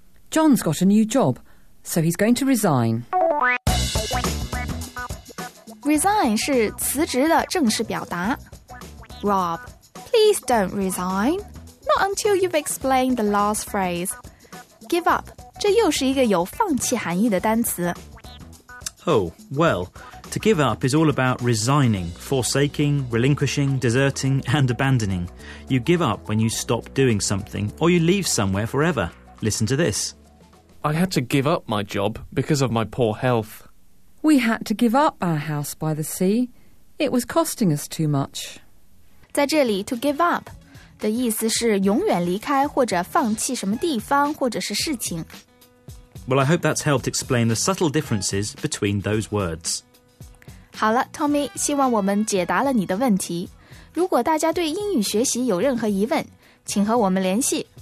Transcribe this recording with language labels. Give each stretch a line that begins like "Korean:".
English: John's got a new job, so he's going to resign.
Chinese: Resign 是辞职的正式表达。
English: Rob, please don't resign.Not until you've explained the last phrase. Give up
Chinese: 这又是一个有放弃含义的单词。
English: Oh, well, to give up is all about resigning, forsaking, relinquishing, deserting, and abandoning. You give up when you stop doing something or you leave somewhere forever. Listen to this. I had to give up my job because of my poor health. We had to give up our house by the sea. It was costing us too much.
Chinese: 在这里 to give up 的意思是永远离开或者放弃什么地方或者是事情。
English: Well, I hope that's helped explain the subtle differences between those words.
Chinese: 好了 ,Tommy, 希望我们解答了你的问题。如果大家对英语学习有任何疑问,请和我们联系。